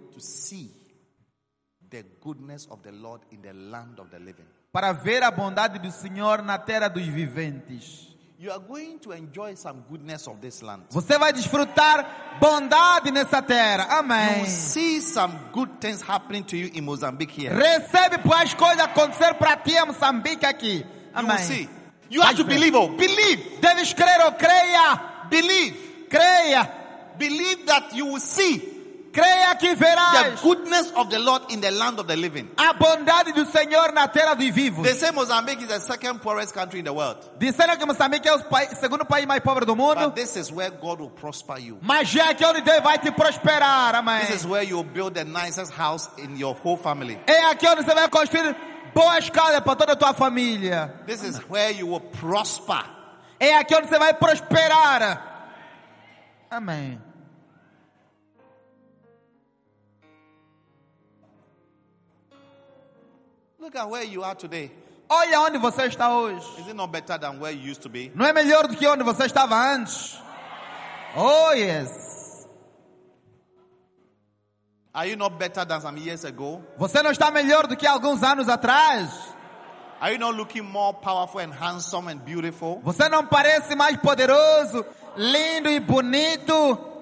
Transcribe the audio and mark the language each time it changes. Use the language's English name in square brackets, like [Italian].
[English] To see the goodness of the Lord in the land of the living. [Portuguese] Para ver a bondade do Senhor na terra dos viventes. [English] You are going to enjoy some goodness of this land. [Portuguese] Você vai desfrutar bondade nessa terra. Amém. [English] You see some good things happening to you in Mozambique here. [Portuguese] Recebe boas coisas acontecer para ti em Moçambique aqui. Amém. [English] You see. You have to believe. Oh, believe. [Portuguese] Deves crer ou creia. [English] Believe. [Portuguese] Creia. [English] Believe that you will see. [Portuguese] Creia que verás. [English] The goodness of the Lord in the land of the living. [Portuguese] A bondade do Senhor na terra dos vivos. [English] They say Mozambique is the second poorest country in the world. [Portuguese] Disseram que Moçambique é o segundo país mais pobre do mundo. [English] But this is where God will prosper you. [Portuguese] Mas é aqui onde Deus vai te prosperar, amém. [English] This is where you will build the nicest house in your whole family. [Portuguese] É aqui onde você vai construir boa casa para toda a tua família. [English] This is where you will prosper. [Portuguese] É aqui onde você vai prosperar. Amém. [English] Look at where you are today. [Portuguese] Olha onde você está hoje. [English] Is it not better than where you used to be? [Portuguese] Não é melhor do que onde você estava antes? [English] Oh yes. Are you not better than some years ago? [Portuguese] Você não está melhor do que alguns anos atrás? [English] Are you not looking more powerful and handsome and beautiful? [Portuguese] Você não parece mais poderoso, lindo e bonito?